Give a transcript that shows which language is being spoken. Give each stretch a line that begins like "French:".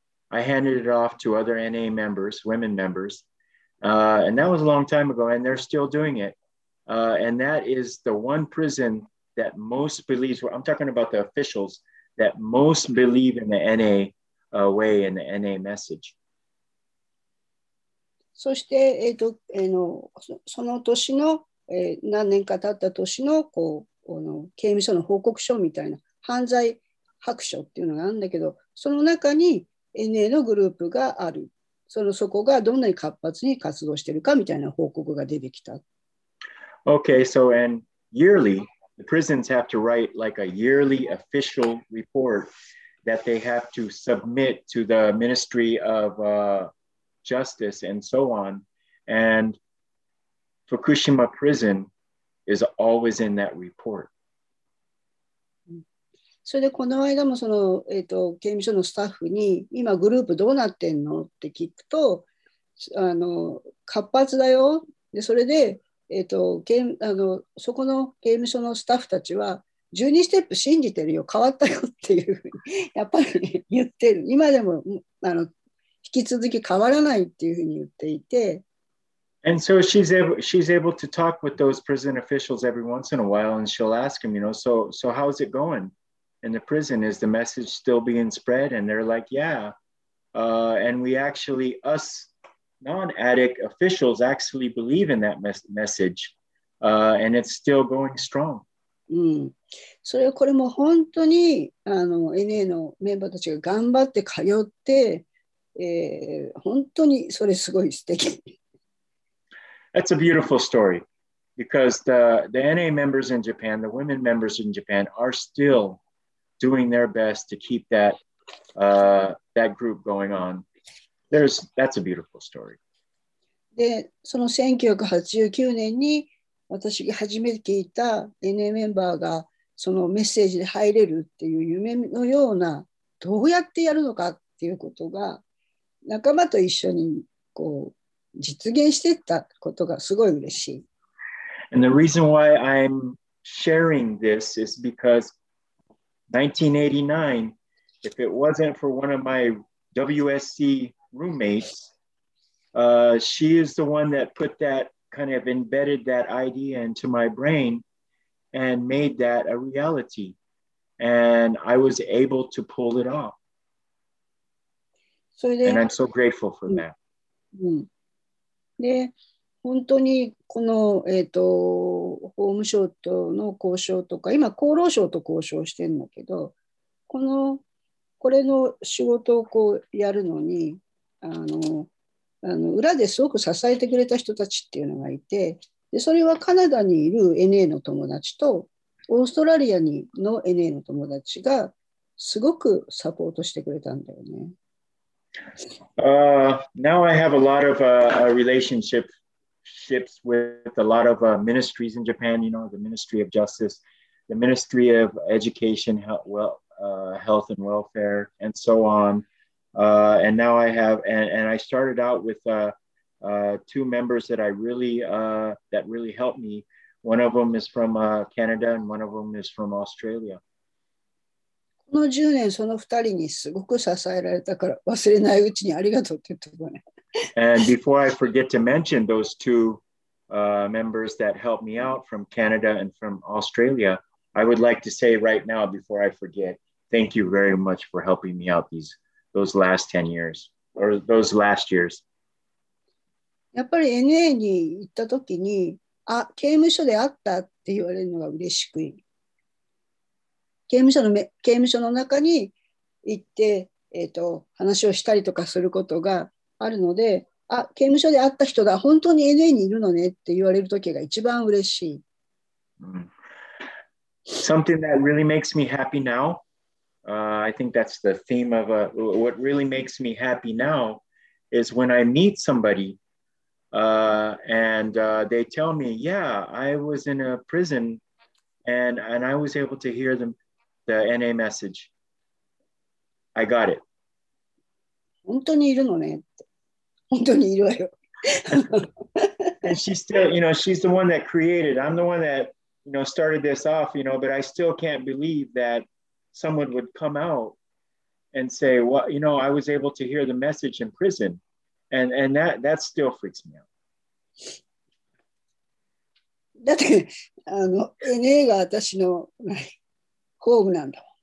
English: I handed it off to other NA members, women members. And that was a long time ago, and they're still doing it. And that is the one prison that most believes, I'm talking about the officials, that most believe in the NA way and the NA message.
Japanese: そして、その年の、何年か経った年の、こう、この刑務所の報告書みたいな、犯罪白書っていうのがあるんだけど、その中に NA のグループがある。そこがどんなに活発に活動しているかみたいな報告が出てきた。
English: Okay, so and yearly, the prisons have to write like a yearly official report that they have to submit to the Ministry of Justice and so on. And Fukushima Prison is always in that report.
Japanese: それでこの間もその、刑務所のスタッフに今グループどうなってんのって聞くと、あの活発だよ。でそれで、そこの刑務所のスタッフたちは12ステップ信じてるよ、変わったよっていうふうにやっぱり言ってる。今でもあの引き続き変わらないっていうふうに言っていて。
English: And so she's able to talk with those prison officials every once in a while, and she'll ask him, you know, so how's it going? In the prison, is the message still being spread? And they're like, yeah. And we actually, us non-addict officials actually believe in that message. And it's still going strong.
Japanese: うん。それはこれも本当にあの NA のメンバーたちが頑張って通って、本当にそれすごい素敵。
English: That's a beautiful story. Because the NA members in Japan, the women members in Japan are still... doing their best to keep that, that group going on. That's a beautiful story.
Japanese: で、その1989年に私が初めて聞いた NA メンバーがそのメッセージで入れるっていう夢のような、どうやってやるのかっていうことが仲間と一緒にこう実現してったことがすごい嬉しい。
English: And the reason why I'm sharing this is because1989, if it wasn't for one of my WSC roommates, she is the one that put that, kind of embedded that idea into my brain and made that a reality. And I was able to pull it off.
Japanese: それで、
English: and I'm so grateful for that.
Japanese: で、本当にこの、法務省との交渉とか、今厚労省と交渉してるんだけど、このこれの仕事をこうやるのに、裏ですごく支えてくれた人たちっていうのがいて、でそれはカナダにいる NA の友達とオーストラリアにの NA の友達がすごくサポートしてくれたんだよね。
English: Now I have a lot of relationships with a lot of ministries in Japan, you know, the Ministry of Justice, the Ministry of Education, Health and Welfare, and so on. And now I have, and I started out with two members that I really, that really helped me. One of them is from Canada and one of them is from Australia.
Japanese: この10年その2人にすごく支えられたから忘れないうちにありがとうって言ってもね。
English: And before I forget to mention those two members that helped me out from Canada and from Australia, I would like to say right now before I forget, thank you very much for helping me out those last 10 years or those last years.
Japanese: やっぱり NA に行った時に、あ、刑務所で会ったって言われるのが嬉しくい。刑務所の中に行って、話をしたりとかすることがあるので、あ、刑務所で会った人だ、本当に NA にいるのねって言われるときが一番嬉しい。
English: Something that really makes me happy now,I think that's the theme of what really makes me happy now is when I meet somebody and they tell me, yeah, I was in a prison and I was able to hear them. The NA message. I got it.
Japanese: 本当にいるのね。本当にいるわよ。
English: And she still, you know, she's the one that created. I'm the one that, you know, started this off, you know, but I still can't believe that someone would come out and say, well, you know, I was able to hear the message in prison. And that still freaks me out.
Japanese: だって、NA が私の…工具なんだ。